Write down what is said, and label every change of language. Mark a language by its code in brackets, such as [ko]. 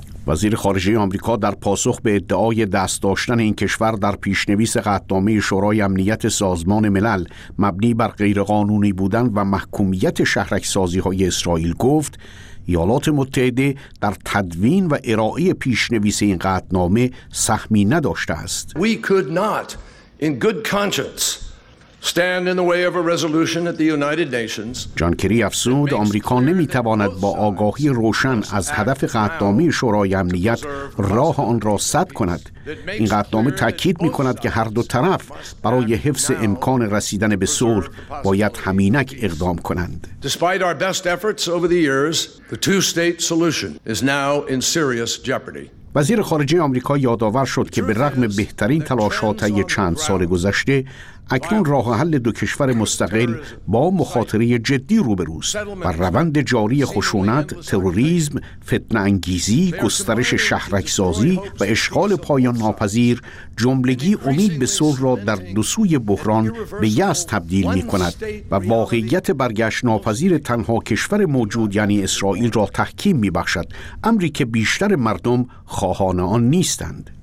[fa] وزیر خارجه آمریکا در پاسخ به ادعای دست داشتن این کشور در پیشنویس قطعنامه شورای امنیت سازمان ملل مبنی بر غیرقانونی بودن و محکومیت شهرک‌سازی‌های اسرائیل گفت ایالات متحده در تدوین و ارائه پیشنویس این قطعنامه سهمی نداشته است. [en] We could not in good conscience stand in the way of a resolution at the United Nations. [fa] جان کری افزود آمریکا نمیتواند با آگاهی روشن از هدف قطعنامه شورای امنیت راه آن را سد کند. این قطعنامه تاکید میکند که هر دو طرف برای حفظ امکان رسیدن به صلح باید همینک اقدام کنند. [en] Despite our best efforts over the years, the two-state solution is now in serious jeopardy. [fa] وزیر خارجه آمریکا یادآور شد که به رغم بهترین تلاش‌ها طی چند سال گذشته، اکنون راه حل دو کشور مستقل با مخاطره جدی روبروست و روند جاری خشونت، تروریسم، فتنه انگیزی، گسترش شهرک‌سازی و اشغال پایان ناپذیر جملگی امید به صلح را در دو سوی بحران به یأس تبدیل می کند و واقعیت برگشت ناپذیر تنها کشور موجود یعنی اسرائیل را تحکیم می بخشد، امری که بیشتر مردم خواهان آن نیستند.